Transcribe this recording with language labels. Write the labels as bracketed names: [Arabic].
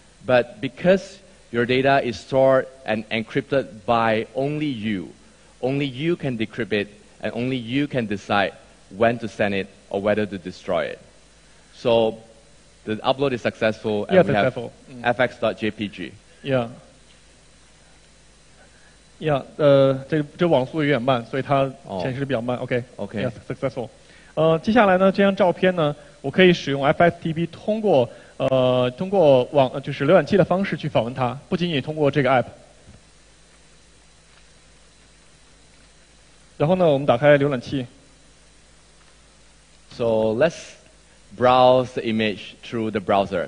[English] But because your data is stored and encrypted by only you can decrypt it, and only you can decide when to send it or whether to destroy it. So the upload is successful, and yeah, we successful. Have fx.jpg. Yeah. [Chinese] Yeah, 这网速有点慢, 所以它显示比较慢. [English] Okay. Okay. Yeah, successful. [Chinese] 接下来呢，这张照片呢。我可以使用 FSTP 通过浏览器的方式去访问它，不仅仅通过这个 app。然后呢，我们打开浏览器。 [English] So let's browse the image through the browser.